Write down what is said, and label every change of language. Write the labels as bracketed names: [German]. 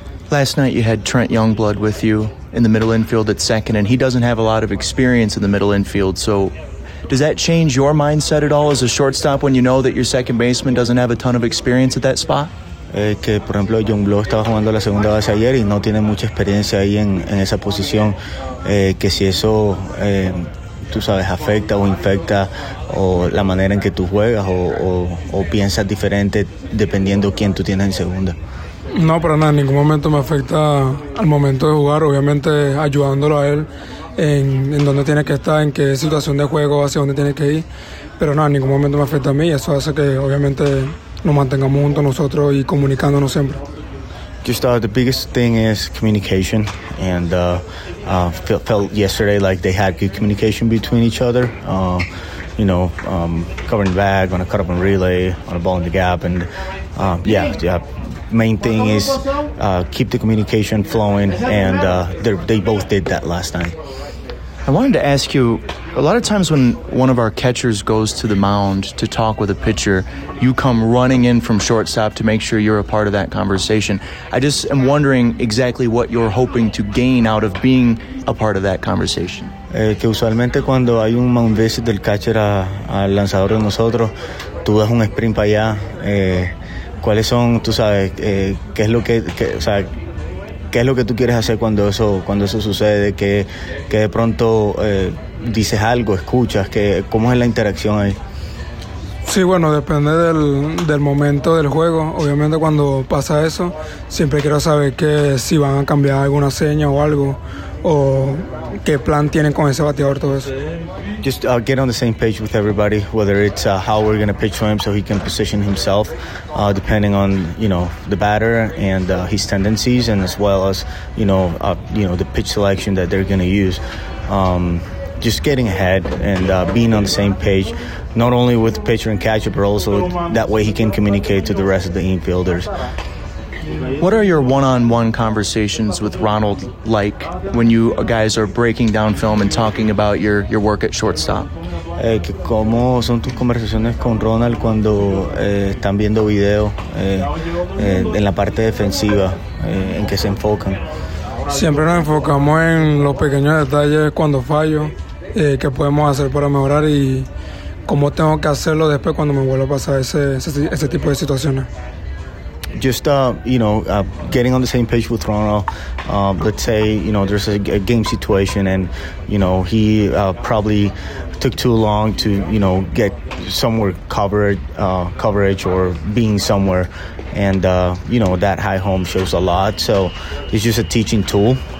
[English] Last night you had Trent Youngblood with you in the middle infield at second, and he doesn't have a lot of experience in the middle infield, so does that change your mindset at all as a shortstop when you know that your second baseman doesn't have a ton of experience at that spot? [Spanish] Que por ejemplo Youngblood estaba jugando la segunda base ayer y no tiene mucha experiencia ahí en esa posición, que si eso tú sabes afecta o infecta o la manera en que tú juegas o piensas diferente dependiendo quién tú tienes en segunda. No, para nada, en ningún momento me afecta al momento de jugar, obviamente ayudándolo a él en dónde tiene que estar, en qué situación de juego, hacia dónde tiene que ir, pero no, en ningún momento me afecta a mí, eso hace que obviamente nos mantengamos juntos nosotros y comunicándonos siempre. [English] Just the biggest thing is communication, and felt yesterday like they had good communication between each other, you know, covering the bag, on a cut up and relay, on a ball in the gap, and yeah. Main thing is keep the communication flowing, and they both did that last night. I wanted to ask you, a lot of times when one of our catchers goes to the mound to talk with a pitcher, you come running in from shortstop to make sure you're a part of that conversation. I just am wondering exactly what you're hoping to gain out of being a part of that conversation. [Spanish] Que usualmente cuando hay un [English] mound visit [Spanish] del catcher al lanzador de nosotros, tú das un sprint para allá, ¿cuáles son, tú sabes, qué es lo que tú quieres hacer cuando eso sucede? ¿Que de pronto dices algo, escuchas? ¿Cómo es la interacción ahí? Sí, bueno, depende del momento del juego. Obviamente cuando pasa eso, siempre quiero saber que si van a cambiar alguna seña o algo, o qué plan tienen con ese bateador, todo eso. [English] Just get on the same page with everybody, whether it's how we're going to pitch to him so he can position himself, depending on, you know, the batter and his tendencies, and as well as, you know the pitch selection that they're going to use. Just getting ahead and being on the same page, not only with pitcher and catcher, but also that way he can communicate to the rest of the infielders. What are your one-on-one conversations with Ronald like when you guys are breaking down film and talking about your work at shortstop? [Spanish] ¿Cómo son tus conversaciones con Ronald cuando están viendo video en la parte defensiva? ¿En qué se enfocan? Siempre nos enfocamos en los pequeños detalles cuando fallo, qué podemos hacer para mejorar y cómo tengo que hacerlo después cuando me vuelva a pasar ese tipo de situaciones. [English] Just, getting on the same page with Ronald, let's say, you know, there's a game situation and, you know, he probably took too long to, you know, get somewhere coverage or being somewhere. And, you know, that high home shows a lot. So it's just a teaching tool.